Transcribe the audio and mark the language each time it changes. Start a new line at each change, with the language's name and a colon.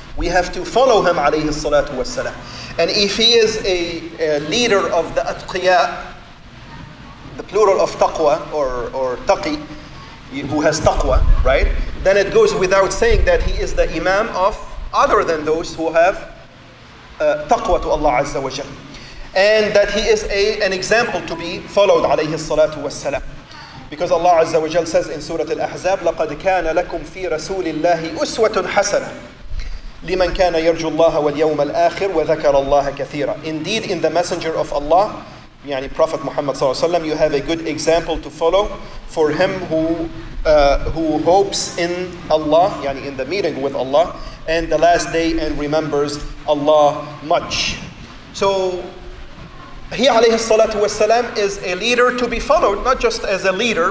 English: We have to follow him, alayhi salatu wasalam. And if he is a leader of the atqiya, the plural of taqwa or taqi, who has taqwa, right? Then it goes without saying that he is the imam of other than those who have taqwa to Allah Azza wa Jal. And that he is an example to be followed, alayhi salatu wasalam. Because Allah Azza wa Jal says in Surah Al-Ahzab,
Arabic: لَقَدْ كَانَ لَكُمْ فِي رَسُولِ اللَّهِ أُسْوَةٌ حَسَنًا لِمَنْ كَانَ يَرْجُ اللَّهَ وَالْيَوْمَ الْآخِرِ وَذَكَرَ اللَّهَ كَثِيرًا.
English: Indeed, in the Messenger of Allah, يعني Prophet Muhammad صلى الله عليه وسلم, you have a good example to follow for him who hopes in Allah, يعني in the meeting with Allah, and the last day and remembers Allah much. So, he عليه الصلاة والسلام is a leader to be followed, not just as a leader.